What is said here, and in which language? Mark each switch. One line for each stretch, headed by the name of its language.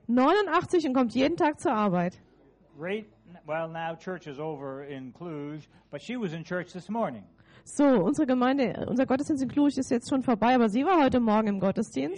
German: 89 und kommt jeden Tag zur Arbeit.
English: Right, well, now church is over in Cluj, but she was in church this morning.
German: So, unsere Gemeinde, unser Gottesdienst in Cluj ist jetzt schon vorbei, aber sie war heute Morgen im Gottesdienst.